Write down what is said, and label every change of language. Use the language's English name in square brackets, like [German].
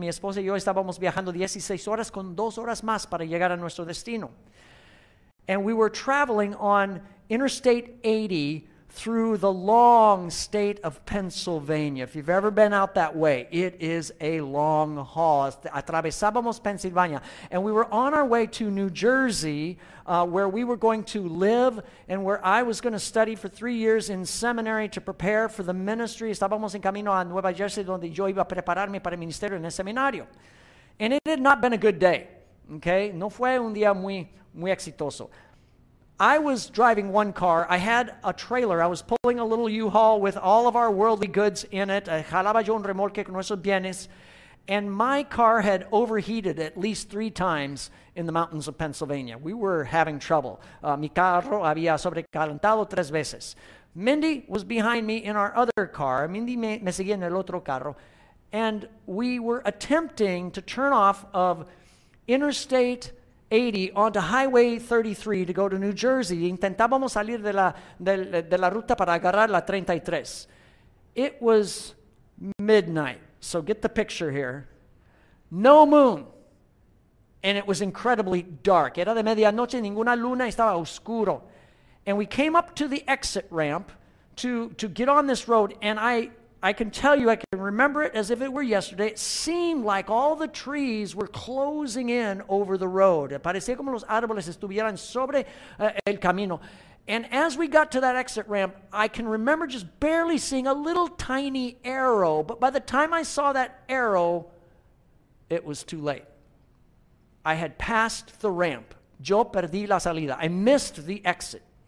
[Spanish] Mi esposa y yo estábamos viajando 16 horas con 2 horas más para llegar a nuestro destino. [English] And we were traveling on Interstate 80 through the long state of Pennsylvania. If you've ever been out that way, it is a long haul. [Spanish] Atravesábamos Pennsylvania. [English] And we were on our way to New Jersey, where we were going to live and where I was going to study for 3 years in seminary to prepare for the ministry. [Spanish] Estábamos en camino a Nueva Jersey, donde yo iba a prepararme para el ministerio en el seminario. [English] And it had not been a good day. Okay, [Spanish] no fue un día muy exitoso. [English] I was driving one car. I had a trailer. I was pulling a little U-Haul with all of our worldly goods in it. [Spanish] Jalaba yo un remolque con nuestros bienes. [English] And my car had overheated at least 3 times in the mountains of Pennsylvania. We were having trouble. [Spanish] Mi carro había sobrecalentado 3 veces. [English] Mindy was behind me in our other car. [Spanish] Mindy me seguía en el otro carro. [English] And we were attempting to turn off of Interstate 80 onto Highway 33 to go to New Jersey. [Spanish] Intentábamos salir de la ruta para agarrar la 33. [English] It was midnight, so get the picture here. No moon, and it was incredibly dark. [Spanish] Era de medianoche, ninguna luna, estaba oscuro. [English] And we came up to the exit ramp to get on this road, and I I can tell you, I can remember it as if it were yesterday. It seemed like all the trees were closing in over the road. [Spanish] Parecía como los árboles estuvieran sobre el camino. [English] And as we got to that exit ramp, I can remember just barely seeing a little tiny arrow. But by the time I saw that arrow, it was too late. I had passed the ramp. [Spanish] Yo perdí la salida. [English] I missed the exit.